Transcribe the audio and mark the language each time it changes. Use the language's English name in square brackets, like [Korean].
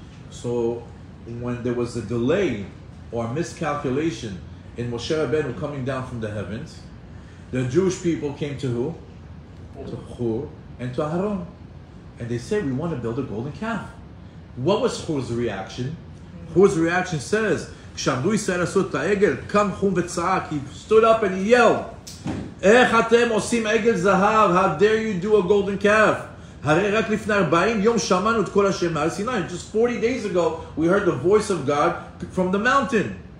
[English] So when there was a delay or a miscalculation in Moshe Rabbeinu coming down from the heavens, the Jewish people came to who? To Hur and to Aaron. And they said, we want to build a golden calf. What was Hur's reaction? Hur's reaction says, [Hebrew] כשעמדו ישראל עשו את העגל, קם חום וצעק, [English] he stood up and yelled, [Hebrew] איך אתם עושים עגל זהב? [English] How dare you do a golden calf? [Hebrew] הרי רק לפני 40 יום שמענו את כל השם מעל סיני. [English] Just 40 days ago, we heard the voice of God from the mountain.